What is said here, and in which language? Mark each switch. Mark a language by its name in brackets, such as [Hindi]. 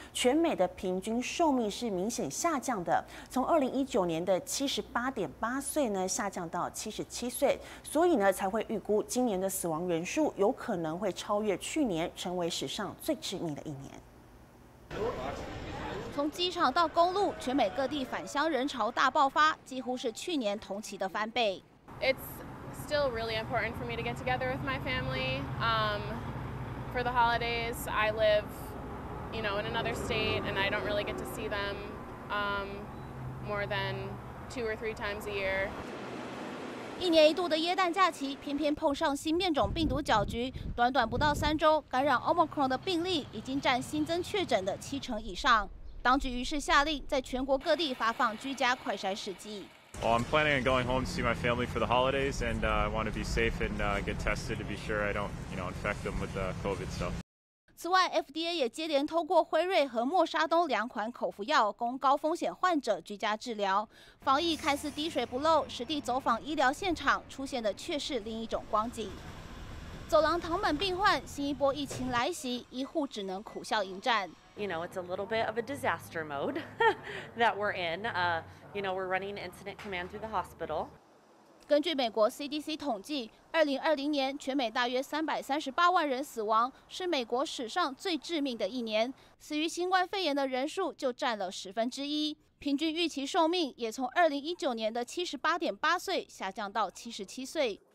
[Chinese] 全美的平均寿命是明显下降的，从2019年的78.8岁呢下降到77岁，所以呢才会预估今年的死亡人数有可能会超越去年，成为史上最致命的一年。从机场到公路，全美各地返乡人潮大爆发，几乎是去年同期的翻倍。 [English] It's still really important for me to get together with my family. For the holidays, I live. You know, in another state, and I don't really get to see them more than 2 or 3 times a year. [Chinese] 一年一度的耶诞假期，偏偏碰上新变种病毒搅局。短短不到3周，感染 Omicron 的病例已经占新增确诊的70%以上。当局于是下令，在全国各地发放居家快筛试剂。 [English] Well, I'm planning on going home to see my family for the holidays, and I want to be safe and get tested to be sure I don't, you know, infect them with the COVID stuff. [Chinese] 此外 ，FDA 也接连通过辉瑞和默沙东两款口服药，供高风险患者居家治疗。防疫看似滴水不漏，实地走访医疗现场，出现的却是另一种光景。走廊躺满病患，新一波疫情来袭，医护只能苦笑迎战。 [English] You know, it's a little bit of a disaster mode that we're in. You know, we're running incident command through the hospital. [Chinese] 根据美国 CDC 统计，2020年全美大约338万人死亡，是美国史上最致命的一年。死于新冠肺炎的人数就占了1/10，平均预期寿命也从2019年的78.8岁下降到77岁。